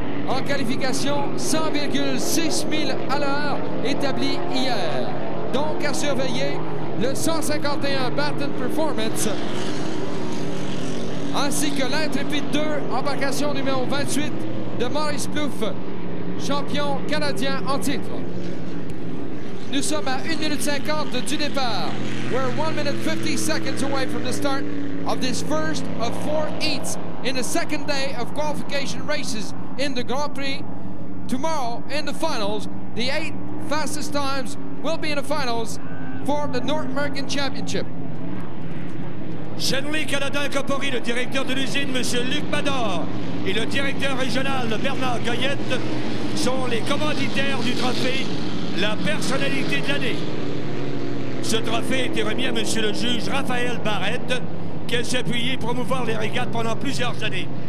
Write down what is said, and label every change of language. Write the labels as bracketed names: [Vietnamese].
[French] En qualification, 100,6 000 à l'heure établi hier. Donc à surveiller, le 151 Batten Performance, ainsi que l'Intrepid 2, embarcation numéro 28 de Maurice Plouffe, champion canadien en titre. Nous sommes à 1 minute 50 du départ. [English] We're 1 minute 50 seconds away from the start of this first of four heats in the second day of qualification races in the Grand Prix. Tomorrow, in the finals, the 8 fastest times will be in the finals for the North American Championship. [French] Chenery Canada Incorporé, le directeur de l'usine, M. Luc Mador, et le directeur régional, Bernard Goyette, sont les commanditaires du trophée La Personnalité de l'année. Ce trophée a été remis à M. le juge Raphaël Barrette, qui a appuyé pour promouvoir les régates pendant plusieurs années.